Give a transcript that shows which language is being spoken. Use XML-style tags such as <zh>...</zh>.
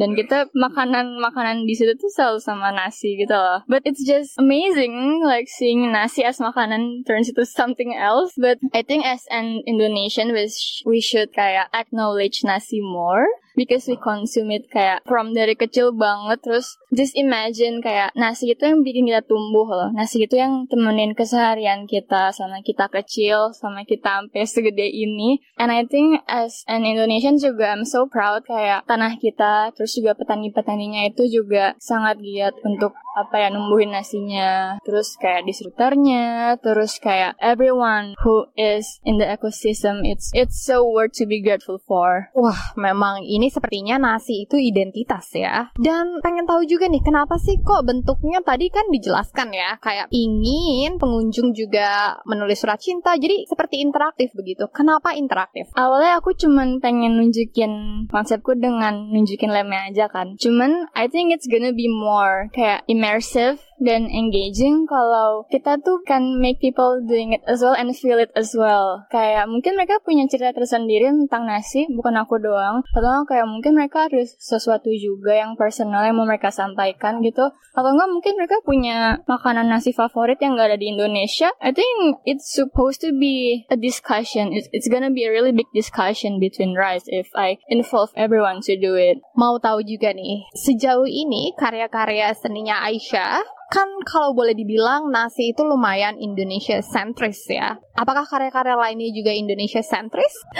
<id>Dan kita makanan-makanan di situ tuh selalu sama nasi gitu loh.</id> <en>But it's just amazing like seeing nasi as makanan turns into something else. But I think as an Indonesian, we should kayak acknowledge nasi more, because we consume it kayak from</en> <id>dari kecil banget. Terus</id> <en>just imagine</en> <id>kayak nasi itu yang bikin kita tumbuh loh. Nasi itu yang temenin keseharian kita sama kita kecil, sama kita sampai segede ini.</id> <en>And I think as an Indonesian juga I'm so proud</en> <id>kayak tanah kita, terus juga petani-petaninya itu juga sangat giat untuk apa ya, numbuhin nasinya, terus kayak distributornya, terus kayak</id> <en>everyone who is in the ecosystem, it's so worth to be grateful for.</en> <id>Wah, memang ini sepertinya nasi itu identitas ya. Dan pengen tahu juga nih, kenapa sih kok bentuknya tadi kan dijelaskan ya, kayak ingin pengunjung juga menulis surat cinta, jadi seperti interaktif begitu. Kenapa interaktif? Awalnya aku cuman pengen nunjukin konsepku dengan nunjukin lemnya aja kan.</id> <en>Cuman, I think it's gonna be more kayak immersive dan engaging</en> <id>kalau kita tuh</id> <en>can make people doing it as well and feel it as well.</en> <id>Kayak mungkin mereka punya cerita tersendiri tentang nasi, bukan aku doang. Atau kayak mungkin mereka ada sesuatu juga yang personal yang mau mereka sampaikan gitu. Atau enggak mungkin mereka punya makanan nasi favorit yang enggak ada di Indonesia.</id> <en>I think it's supposed to be a discussion. It's gonna be a really big discussion between rice if I involve everyone to do it.</en> <id>Mau tahu juga nih, sejauh ini karya-karya seninya Aisyah kan kalau boleh dibilang nasi itu lumayan Indonesia centris ya. Apakah karya-karya lainnya juga Indonesia centris?</id>